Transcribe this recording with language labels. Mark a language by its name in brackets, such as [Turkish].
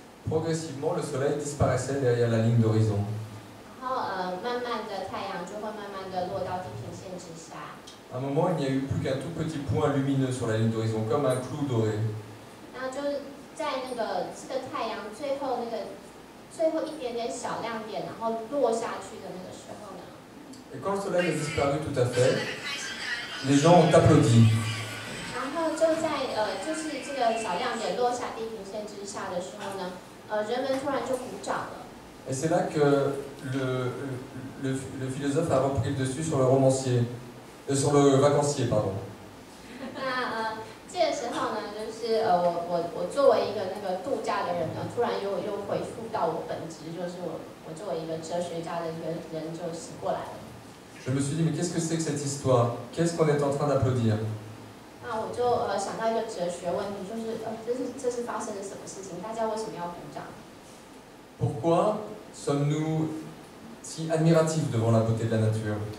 [French] Progressivement, le soleil disparaissait derrière la ligne d'horizon. À un moment, il n'y a eu plus qu'un tout petit point lumineux sur la ligne d'horizon, comme un clou doré. [Chinese] 在那个这个太阳最后那个最后一点点小亮点，然后落下去的那个时候呢？ [French] Et quand le soleil a disparu tout à fait, les gens ont applaudi. [Chinese] 然后就在就是这个小亮点落下地平线之下的时候呢，人们突然就鼓掌了。 [French] Et c'est là que le philosophe a repris le dessus sur le romancier, sur le vacancier, pardon. [Chinese] 这个时候呢，就是我作为一个那个度假的人呢，突然又回复到我本职，就是我作为一个哲学家的一个人就醒过来了。 [French] Je me suis dit, mais qu'est-ce que c'est que cette histoire? Qu'est-ce qu'on est en train d'applaudir? [Chinese] 那我就想到一个哲学问题，就是这是发生了什么事情？大家为什么要鼓掌？ [French] Pourquoi sommes-nous si admiratifs devant la beauté de la nature?